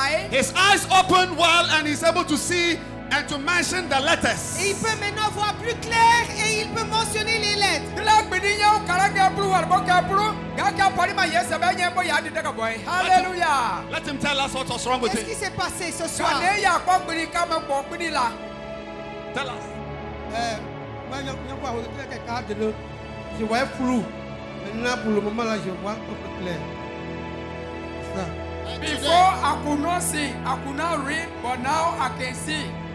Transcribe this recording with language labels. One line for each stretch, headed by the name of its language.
English: his eyes opened well and he's able to see and to mention the letters.
French: Et il peut maintenant voir plus clair et il peut mentionner les lettres. Hallelujah.
English: Let him tell us what was wrong with him.
French: Qu'est-ce qui s'est passé ce soir?
English: Tell us.
French: Je vois flou. Maintenant, pour le moment, là, je vois un peu clair. Ça.
English: Before I could not see, I could not read, but now I can see.